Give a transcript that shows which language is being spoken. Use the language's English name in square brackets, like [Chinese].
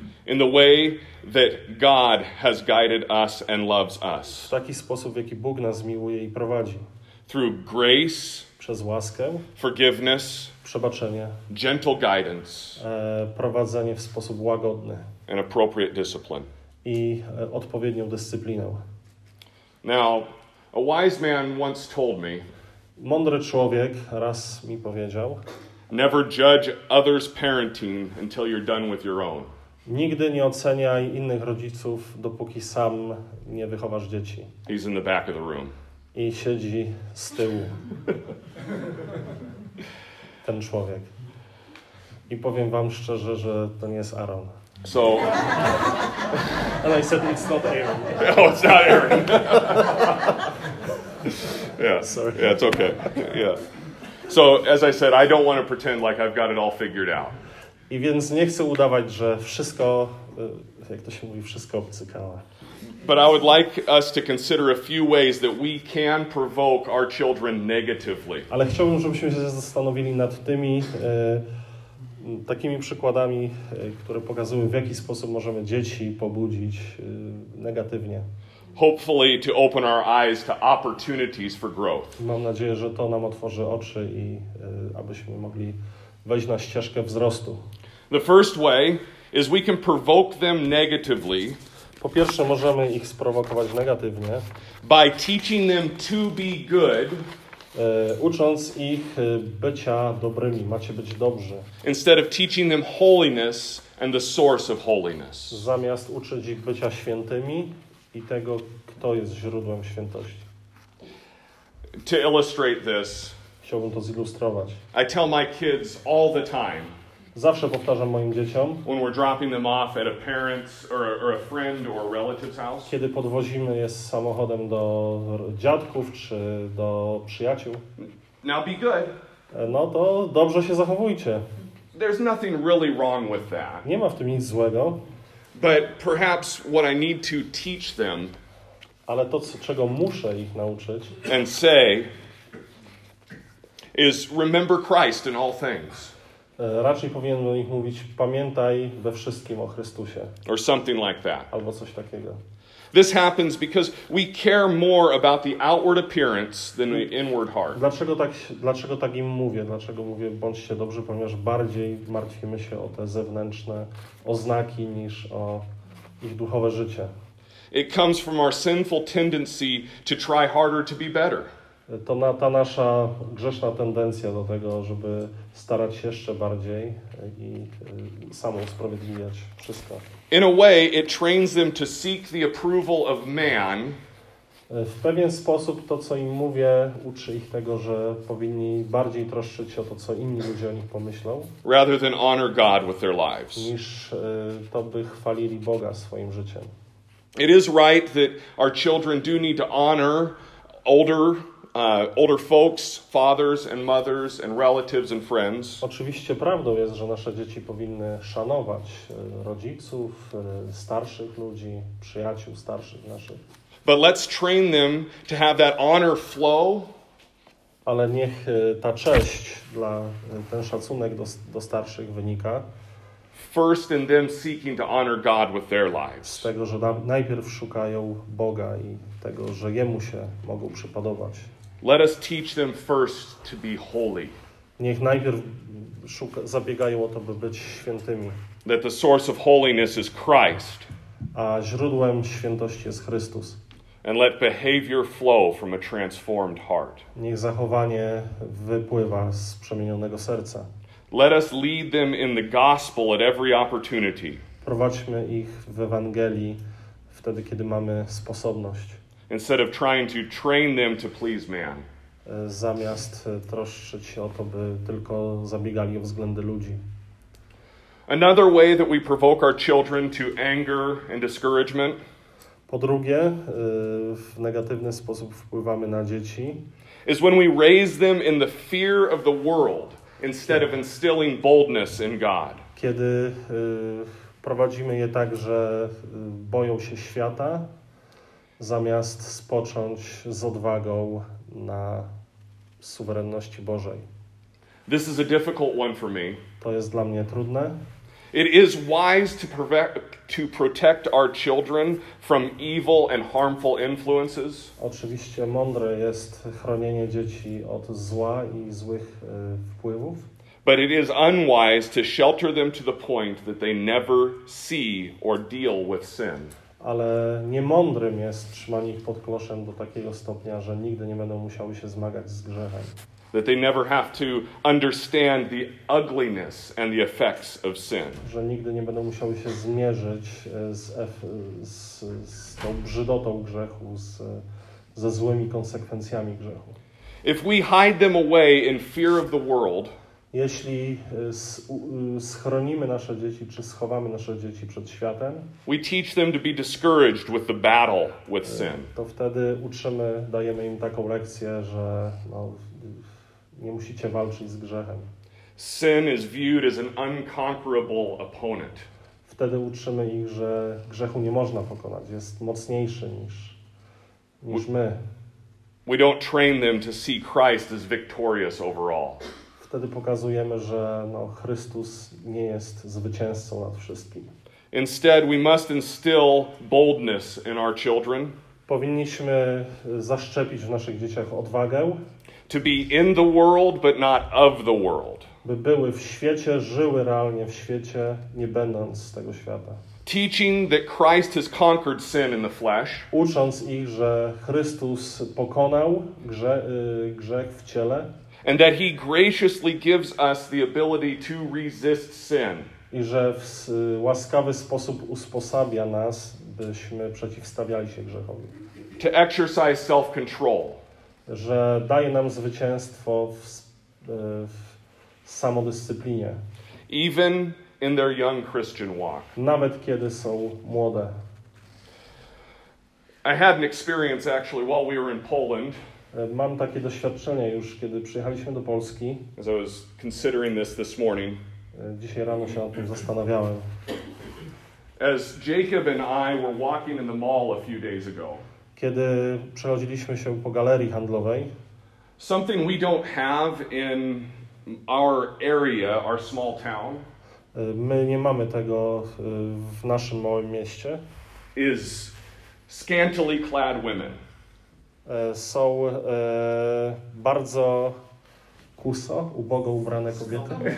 [English] in the way that God has guided us and loves us. [Polish] W taki sposób, w jaki Bóg nas miłuje i prowadzi. [English] Through grace, [Polish] przez łaskę, [English] forgiveness, [Polish] przebaczenie, [English] gentle guidance, [Polish] prowadzenie w sposób łagodny, [English] and appropriate discipline, [Polish] i odpowiednią dyscyplinę. [English] Now, a wise man once told me, [Polish] mądry człowiek raz mi powiedział, [English] never judge others' parenting until you're done with your own. [Polish] Nigdy nie oceniaj innych rodziców, dopóki sam nie wychowasz dzieci. [English] He's in the back of the room. [Polish] I siedzi z tyłu. Ten człowiek. I powiem wam szczerze, że to nie jest Aaron. [English] So. And I said it's not Aaron. Oh, no, it's not Aaron. Yeah. Sorry. Yeah, it's okay. Yeah. So, as I said, I don't want to pretend like I've got it all figured out. [Polish] I więc nie chcę udawać, że wszystko, jak to się mówi, wszystko obcykało. [English] But I would like us to consider a few ways that we can provoke our children negatively. [Polish] Ale chciałbym, żebyśmy się zastanowili nad tymi takimi przykładami, które pokazują, w jaki sposób możemy dzieci pobudzić negatywnie. [English] Hopefully to open our eyes to opportunities for growth. [Polish] Mam nadzieję, że to nam otworzy oczy i abyśmy mogli wejść na ścieżkę wzrostu. [English] The first way is we can provoke them negatively. [Polish] Po pierwsze, możemy ich sprowokować negatywnie. [English] By teaching them to be good. [Polish] Ucząc ich bycia dobrymi, macie być dobrzy. [English] Instead of teaching them holiness and the source of holiness. [Polish] Zamiast uczyć ich bycia świętymi i tego, kto jest źródłem świętości. [English] To illustrate this. [Polish] Chciałbym to zilustrować. [English] I tell my kids all the time. [Polish] Zawsze powtarzam moim dzieciom. [English] When we're dropping them off at a parent's or a friend or a relative's house. [Polish] Kiedy podwozimy je samochodem do dziadków czy do przyjaciół. [English] Now be good. [Polish] No to dobrze się zachowujcie. [English] There's nothing really wrong with that. [Polish] Nie ma w tym nic złego. [English] But perhaps what I need to teach them. [Polish] Ale to, czego muszę ich nauczyć. [English] And say is remember Christ in all things. [Polish] Raczej powinien do nich mówić, pamiętaj we wszystkim o Chrystusie. [English] Or something like that. [Polish] Albo coś takiego. [English] This happens because we care more about the outward appearance than the inward heart. [Polish] Dlaczego tak im mówię? Dlaczego mówię, bądźcie dobrzy, ponieważ bardziej martwimy się o te zewnętrzne oznaki niż o ich duchowe życie. [English] It comes from our sinful tendency to try harder to be better. [Polish] To ta nasza grzeszna tendencja do tego, żeby starać się jeszcze bardziej i samo usprawiedliwiać wszystko. [English] In a way, it trains them to seek the approval of man. [Polish] W pewien sposób to, co im mówię, uczy ich tego, że powinni bardziej troszczyć się o to, co inni ludzie o nich pomyślą. [English] Rather than honor God with their lives. [Polish] Niż to, by chwalili Boga swoim życiem. [English] It is right that our children do need to honor older folks, fathers and mothers and relatives and friends. [Polish] Oczywiście prawdą jest, że nasze dzieci powinny szanować rodziców, starszych ludzi, przyjaciół starszych naszych. [English] But let's train them to have that honor flow. [Polish] Ale niech ta cześć, dla ten szacunek do starszych wynika. [English] First in them seeking to honor God with their lives. [Polish] Z tego, że najpierw szukają Boga i tego, że Jemu się mogą przypodobać. [English] Let us teach them first to be holy. [Polish] Niech najpierw zabiegają o to, by być świętymi. [English] That the source of holiness is Christ. [Polish] A źródłem świętości jest Chrystus. [English] And let behavior flow from a transformed heart. [Polish] Niech zachowanie wypływa z przemienionego serca. [English] Let us lead them in the gospel at every opportunity. [Polish] Prowadźmy ich w Ewangelii wtedy, kiedy mamy sposobność. [English] Instead of trying to train them to please man. [Polish] Zamiast troszczyć się o to, by tylko zabiegali o względy ludzi. [English] Another way that we provoke our children to anger and discouragement. [Polish] Po drugie, w negatywny sposób wpływamy na dzieci. [English] Is when we raise them in the fear of the world instead of instilling boldness in God. [Polish] Kiedy prowadzimy je tak, że boją się świata, zamiast spocząć z odwagą na suwerenności Bożej. [English] This is a difficult one for me. [Polish] To jest dla mnie trudne. [English] It is wise to protect our children from evil and harmful influences. [Polish] Oczywiście mądre jest chronienie dzieci od zła i złych wpływów. [English] But it is unwise to shelter them to the point that they never see or deal with sin. [Polish] Ale niemądrym jest trzymanie ich pod kloszem do takiego stopnia, że nigdy nie będą musiały się zmagać z grzechem. [English] That they never have to understand the ugliness and the effects of sin. [Polish] Że nigdy nie będą musiały się zmierzyć z tą brzydotą grzechu, ze złymi konsekwencjami grzechu. [English] If we hide them away in fear of the world, [Polish] jeśli schronimy nasze dzieci, czy schowamy nasze dzieci przed światem, [English] we teach them to be discouraged with the battle with sin. [Polish] To wtedy uczymy, dajemy im taką lekcję, że no, nie musicie walczyć z grzechem. [English] Sin is viewed as an unconquerable opponent. [Polish] Wtedy uczymy ich, że grzechu nie można pokonać, jest mocniejszy niż my. [English] We don't train them to see Christ as victorious over all. [Polish] Wtedy pokazujemy, że no, Chrystus nie jest zwycięzcą nad wszystkim. [English] Instead, we must instill boldness in our children. [Polish] Powinniśmy zaszczepić w naszych dzieciach odwagę. [English] To be in the world, but not of the world. [Polish] By były w świecie, żyły realnie w świecie, nie będąc z tego świata. [English] Teaching that Christ has conquered sin in the flesh. [Polish] Ucząc ich, że Chrystus pokonał grzech w ciele. [English] And that he graciously gives us the ability to resist sin. [Polish] I że w łaskawy sposób usposabia nas, byśmy przeciwstawiali się grzechowi. [English] To exercise self-control. [Polish] Że daje nam zwycięstwo w samodyscyplinie. [English] Even in their young Christian walk. [Polish] Nawet kiedy są młode. [English] I had an experience actually while we were in Poland. [Polish] Mam takie doświadczenie już, kiedy przyjechaliśmy do Polski. [English] As I was considering this morning. [Polish] Dzisiaj rano się o tym zastanawiałem. [English] As Jacob and I were walking in the mall a few days ago. [Polish] Kiedy przechodziliśmy się po galerii handlowej. [English] Something we don't have in our area, our small town. [Polish] My nie mamy tego w naszym małym mieście. [English] Is scantily clad women. [Polish] Są bardzo kuso, ubogo ubrane kobiety.